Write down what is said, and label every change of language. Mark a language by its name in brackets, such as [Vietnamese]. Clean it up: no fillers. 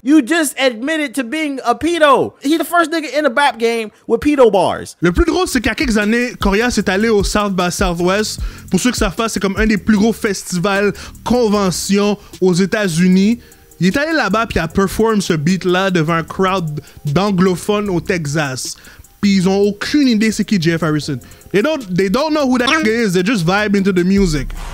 [English] You just admitted to being a pedo. He the first nigga in the rap game with pedo bars. [French] Le plus drôle, c'est qu'il y a quelques années, Corias est allé au South by Southwest. Pour ceux qui savent pas, c'est comme un des plus gros festivals, conventions aux États-Unis. Il est allé là-bas puis il a performé ce beat-là devant un crowd d'anglophones au Texas. Puis ils ont aucune idée c'est qui GF Harrison. [English] They don't know who that nigga is. They just vibe into the music.